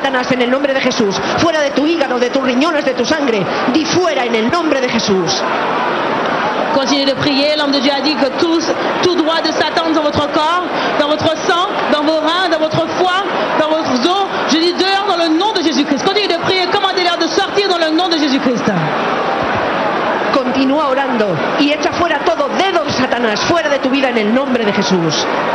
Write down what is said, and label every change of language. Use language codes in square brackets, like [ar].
[es] En el nombre de Jesús, fuera de tu hígado, de tus riñones, de tu sangre, di fuera en el nombre de Jesús. [fr] Continuez de prier, l'homme de Dieu a dit que tous, tout droit de Satan dans votre corps, dans votre sang, dans vos reins, dans votre foie, dans vos os, je dis dehors dans le nom de Jésus-Christ. Continuez de prier, commandez-leur de sortir dans le nom de Jésus-Christ. [es] Continúa orando y echa fuera todo dedo de Satanás, fuera de tu vida en el nombre de Jesús.